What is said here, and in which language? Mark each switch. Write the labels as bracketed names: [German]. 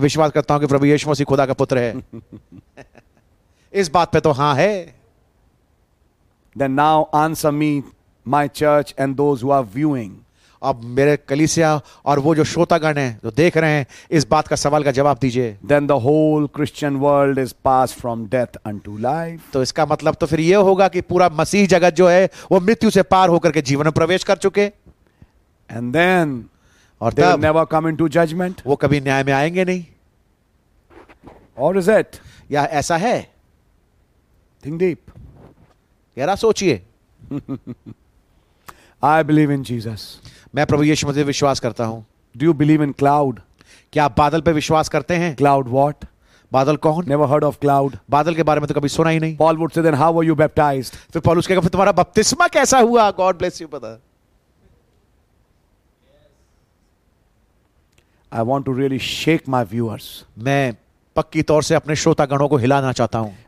[Hindi] मैं विश्वास करता हूँ कि प्रभु यीशु मसीह खुदा का पुत्र है. इस बात पे तो हाँ है. [English] Then now answer me, my church and those who are viewing. [Hindi] अब मेरे कलीसिया और वो जो श्रोतागण हैं जो देख रहे हैं इस बात का सवाल का जवाब दीजिए. [English] Then the whole Christian world is passed from death unto life. [Hindi] तो इसका मतलब तो फिर ये होगा कि पूरा मसीह जगत जो है वो मृत्यु से पार होकर के जीवन में प्रवेश कर चुके. [English] And then [Hindi] और [English] they will never come into judgment. [Hindi] वो कभी न्याय में आएंगे नहीं. [English] Or is it? [Hindi] या ऐसा है? [English] Think deep. [Hindi] गहरा सोचिए. [English] I believe in Jesus. [Hindi] मैं प्रभु यीशु मसीह पर विश्वास करता हूँ. [English] Do you believe in cloud? [Hindi] क्या आप बादल पर विश्वास करते हैं? [English] Cloud what? [Hindi] बादल कौन? [English] Never heard of cloud. [Hindi] बादल के बारे में तो कभी सुना ही नहीं. [English] Paul would say, then how were you baptized? [Hindi] फिर पॉलुस कहेगा, फिर तुम्हारा बपतिस्मा कैसा हुआ? [English] God bless you, brother. I want to really shake my viewers. [Hindi] मैं पक्की तौर से अपने श्रोतागणों को हिलाना चाहता हूँ.